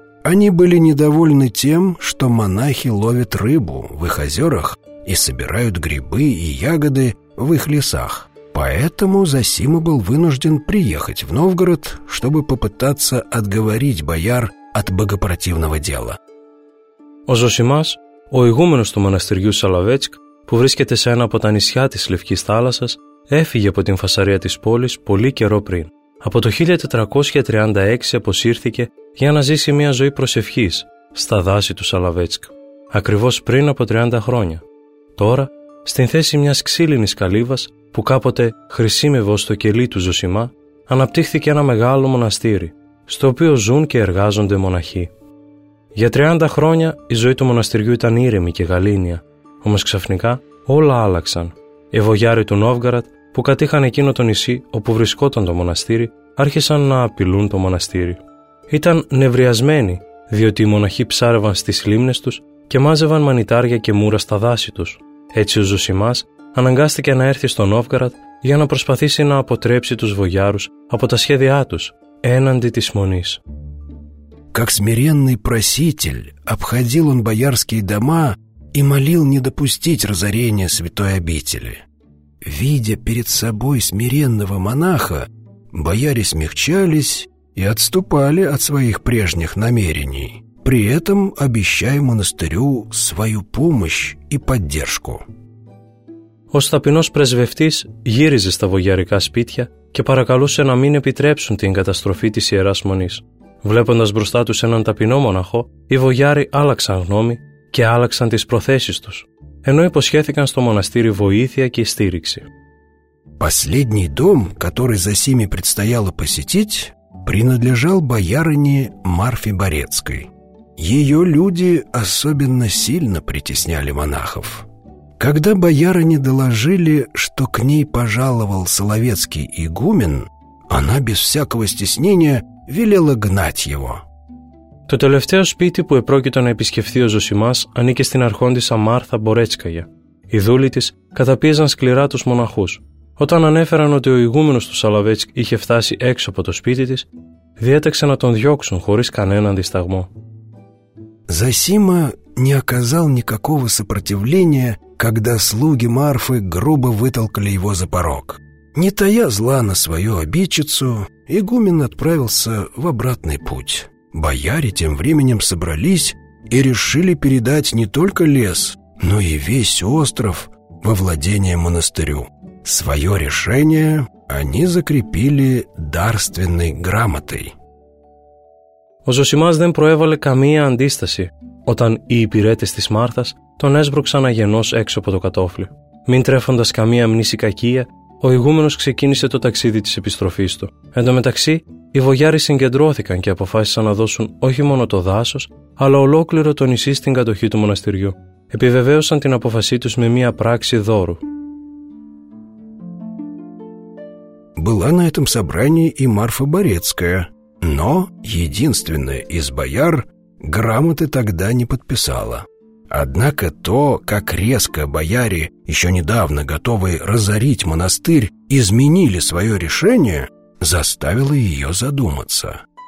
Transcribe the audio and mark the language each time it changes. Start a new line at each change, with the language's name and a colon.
Russian: Они были недовольны тем, что монахи ловят рыбу в их озерах и собирают грибы и ягоды в их лесах. Поэтому Зосима был вынужден приехать в Новгород, чтобы попытаться отговорить бояр от богопротивного дела.
Greek: Ο Ζωσιμάς, ο ηγούμενος του μοναστηριού Соловецк, που βρίσκεται σε ένα από τα νησιά της Λευκής Θάλασσας, έφυγε από την φασαρία της πόλης πολύ καιρό πριν. Από το 1436 αποσύρθηκε για να ζήσει μια ζωή προσευχής στα δάση του Соловецк, ακριβώς πριν από 30 χρόνια. Τώρα, στην θέση μιας ξύλινης καλύβας, που κάποτε χρησίμευε στο κελί του Ζωσιμά, αναπτύχθηκε ένα μεγάλο μοναστήρι, στο οποίο ζουν και εργάζονται μοναχοί. Για 30 χρόνια η ζωή του μοναστηριού ήταν ήρεμη και γαλήνια, όμως ξαφνικά όλα άλλαξαν. Οι βογιάροι του Νόβγαραντ, που κατήχαν εκείνο το νησί όπου βρισκόταν το μοναστήρι, άρχισαν να απειλούν το μοναστήρι. Ήταν νευριασμένοι, διότι οι μοναχοί ψάρευαν στις λίμνες τους και μάζευαν μανιτάρια και μούρα στα δάση τους. Έτσι ο Ζωσιμάς αναγκάστηκε να έρθει στο Νόβγαραντ για να προσπαθήσει να αποτρέψει τους βογιάρους από τα σχέδιά τους έναντι της μονής.
Russian: Как смиренный проситель обходил он боярские дома и молил не допустить разорения святой обители. Видя перед собой смиренного монаха, бояре смягчались и отступали от своих прежних намерений, при этом обещая монастырю свою помощь и поддержку.
Greek: Ως ταπεινός πρεσβευτής γύριζε στα βογιαρικά σπίτια και παρακαλούσε να μην επιτρέψουν την καταστροφή της Ιεράς Μονής. Βλέποντας μπροστά τους έναν ταπεινό μοναχό, οι βογιάροι άλλαξαν γνώμη και άλλαξαν τις προθέσεις τους, ενώ υποσχέθηκαν στο μοναστήρι βοήθεια και στήριξη.
Russian: Последний дом, который Зосиме предстояло посетить, принадлежал боярине Марфе Борецкой. Ее люди особенно сильно притесняли монахов. Когда боярыне доложили, что к ней пожаловал Соловецкий игумен, она без всякого стеснения велела гнать его.
Greek: Το τελευταίο σπίτι που επρόκειτο να επισκεφθεί ο Ζωσιμάς ανήκε στην αρχόντισσα Μάρθα Μπορέτσκαγια. Οι δούλοι της καταπίεζαν σκληρά τους μοναχούς. Όταν ανέφεραν ότι ο ηγούμενος του Соловецк είχε φτάσει έξω από το σπίτι της, διέταξε να τον διώξουν χωρίς κανέναν δισταγμό.
Russian: Зосима не оказал никакого сопротивления, когда слуги Марфы грубо вытолкали его за порог. Не тая зла на свою обидчицу, игумен отправился в обратный путь. Бояре тем временем собрались и решили передать не только лес, но и весь остров во владение монастырю. Свое решение они закрепили дарственной грамотой.
Greek: Ο Ζωσιμάς δεν προέβαλε καμία αντίσταση, Όταν οι υπηρέτες της Μάρθας τον έσβρωξαν αγενός έξω από το κατόφλι. Μην τρέφοντας καμία μνήση κακία, ο ηγούμενος ξεκίνησε το ταξίδι της επιστροφής του. Εν τω μεταξύ, οι βογιάροι συγκεντρώθηκαν και αποφάσισαν να δώσουν όχι μόνο το δάσος, αλλά ολόκληρο το νησί στην κατοχή του μοναστηριού. Επιβεβαίωσαν την απόφασή τους με μία πράξη δώρου.
Russian: Была на этом собрании и Марфа Борецкая, но единственная из бояр грамоты тогда не подписала. Однако то, как резко бояре, еще недавно готовые разорить монастырь, изменили свое решение, заставило ее задуматься.